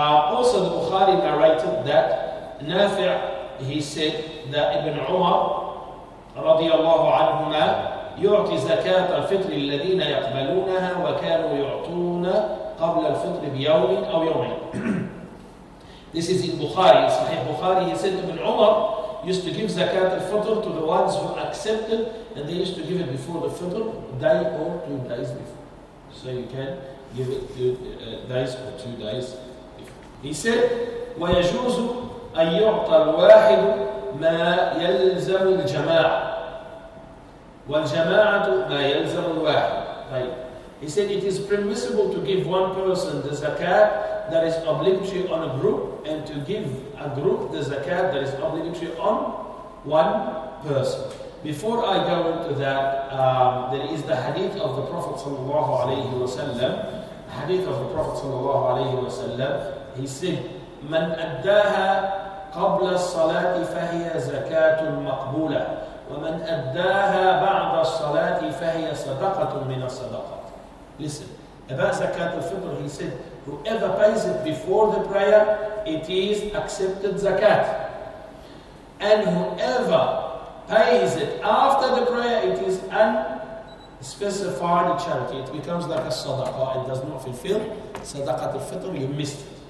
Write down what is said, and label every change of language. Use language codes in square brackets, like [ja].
[en] Also, the Bukhari narrated that Nafi', he said that Ibn Umar [ar] رضي الله عنهما يعطي زكاة الفطر الذين يقبلونها وكانوا يعطون قبل الفطر بيوم أو يومين. [en] This is in Bukhari, Sahih Bukhari. He said Ibn Umar used to give zakat al-fitr to the ones who accepted, and they used to give it before the fitr, day or 2 days before. So you can give it 2 days or 2 days before. He said, [ar] ويجوز أن يعطى الواحد ما يلزم الجماعة والجماعة ما يلزم الواحد. طيب. [en] He said it is permissible to give one person the zakat that is obligatory on a group and to give a group the zakat that is obligatory on one person. Before I go into that, there is the hadith of the Prophet sallallahu alayhi wa sallam. Hadith of the Prophet sallallahu alayhi wa sallam. He said, [ar] من أداها قبل الصلاة فهي زكاة مقبولة ومن أداها بعد الصلاة فهي صدقة من الصدقات. [en] Listen, about zakat al-fitr, he said, whoever pays it before the prayer, it is accepted zakat. And whoever pays it after the prayer, it is unspecified charity. It becomes like a sadaqah. It does not fulfill sadaqat al-fitr, you missed it.